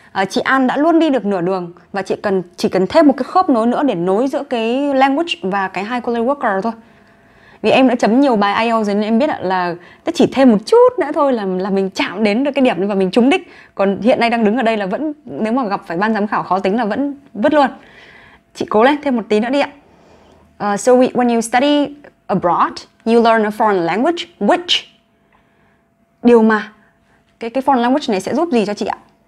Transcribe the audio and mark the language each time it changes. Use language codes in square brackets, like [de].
[vi] Chị An đã luôn đi được nửa đường và chỉ cần thêm một cái khớp nối nữa để nối giữa cái language và cái high quality worker thôi. Vì em đã chấm nhiều bài IELTS nên em biết là chỉ thêm một chút nữa thôi là mình chạm đến được cái điểm và mình trúng đích. Còn hiện nay đang đứng ở đây là vẫn, nếu mà gặp phải ban giám khảo khó tính là vẫn vứt luôn. Chị cố lên thêm một tí nữa đi ạ. [en] When you study abroad, you learn a foreign language, which? [vi] Điều mà cái foreign language này sẽ giúp gì cho chị ạ?